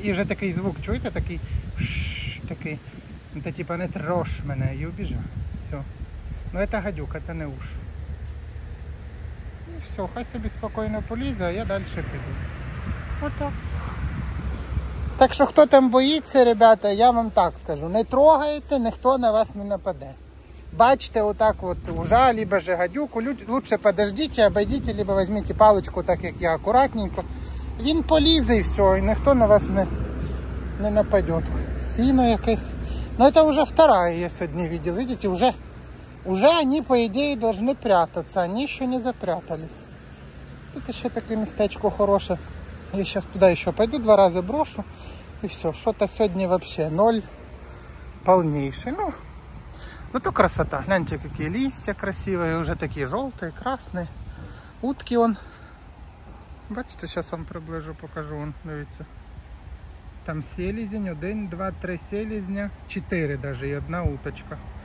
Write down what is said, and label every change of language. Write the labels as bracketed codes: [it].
[uk] І вже такий звук, чуєте, такий шшш, такий. Ну ти типа не трош мене і убіжав. Все. Ну це гадюка, це не уж. Ну все, хай собі спокійно полізе, а я далі піду. Отак. Так що хто там боїться, ребята, я вам так скажу. Не трогайте, ніхто на вас не нападе. Бачите, отак от ужа, либо же гадюку. Лучше подождіть, обійдіть, либо візьміть палочку, так як я, акуратненько. Він полізе і все, і ніхто на вас не нападе. Сіно якесь. Ну, це вже вторая я сьогодні бачив. Видите, вже вони, по ідеї, повинні прятатися. Вони ще не запрятались. Тут ще таке містечко хороше. [ru] Я сейчас туда еще пойду, два раза брошу, и все. Что-то сегодня вообще ноль полнейший. Ну, зато красота. Гляньте, какие листья красивые, уже такие желтые, красные. Утки он. Бачите, сейчас вам приближу, покажу. Вон, смотрите. Там селезень, один, два, три селезня, четыре даже, и одна уточка.